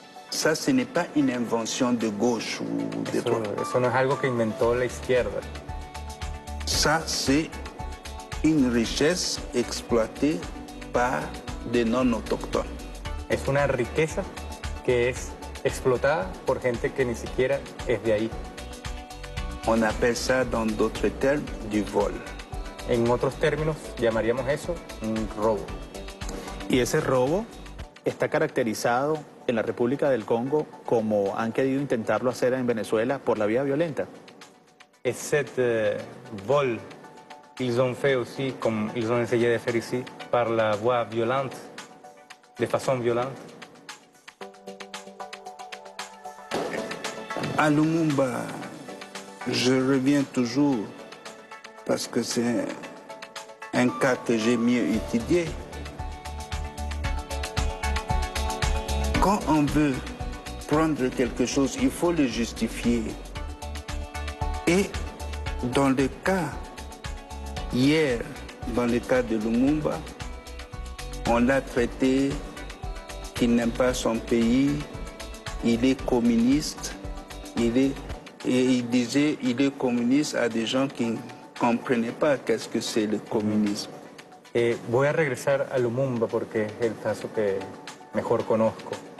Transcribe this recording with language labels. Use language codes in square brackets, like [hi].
[fr] Ça, ce n'est pas une invention de gauche ou de droite. [es] Eso no es algo que inventó la izquierda. [fr] Ça, c'est une richesse exploitée par des non-autochtones. [es] Es una riqueza que es explotada por gente que ni siquiera es de ahí. [fr] On appelle ça dans d'autres termes du vol. [es] En otros términos llamaríamos eso un robo. Y ese robo está caracterizado en la República del Congo como han querido intentarlo hacer en Venezuela por la vía violenta. [fr] Cette vol, ils ont fait aussi comme ils ont essayé de faire ici par la voie violente, de façon violente. À Lumumba, je reviens toujours parce que c'est un cas que j'ai mieux étudié. Quand on veut prendre quelque chose, il faut le justifier. Et dans le cas, hier, dans le cas de Lumumba, on l'a traité qu'il n'aime pas son pays, il est communiste, et il disait il est communiste à des gens qui ne comprenaient pas qu'est-ce que c'est le communisme. [es] Et voy a regresar a Lumumba porque es el caso que mejor conozco.